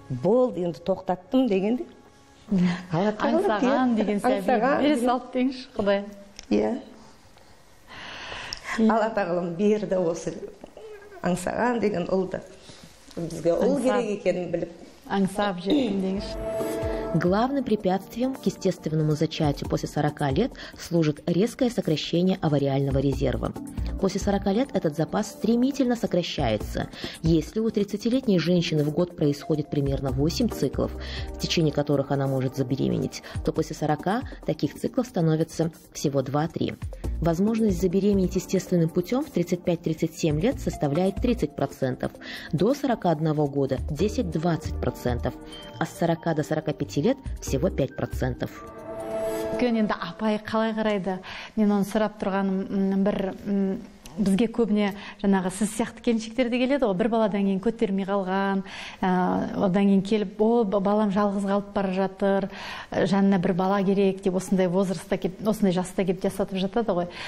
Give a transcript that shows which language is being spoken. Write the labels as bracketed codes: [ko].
[kk] Бұл енді тоқтаттым дегенде. Аңсаған деген сәбе. Алла тағалам берді осы аңсаған деген ұлды. Бізге ұл керек екенін біліп. Аңсап жеттім деңіз. [ru] Главным препятствием к естественному зачатию после 40 лет служит резкое сокращение овариального резерва. После 40 лет этот запас стремительно сокращается. Если у 30-летней женщины в год происходит примерно 8 циклов, в течение которых она может забеременеть, то после 40 таких циклов становится всего 2-3. Возможность забеременеть естественным путем в 35-37 лет составляет 30%, до 41 года – 10-20%, а с 40 до 45 лет – всего 5%. [kk] Көнінде апай қалай қарайды? Мен оны сұрап тұрғаным, бір бізге көбіне жаңағы сіз сияқты келіншектерде келеді ғой, бір баладан кейін көтермей қалған, одан кейін келіп, балам жалғыз қалып бара жатыр, жанына бір бала керек деп осындай жаста кеп жасатып жатады ғой.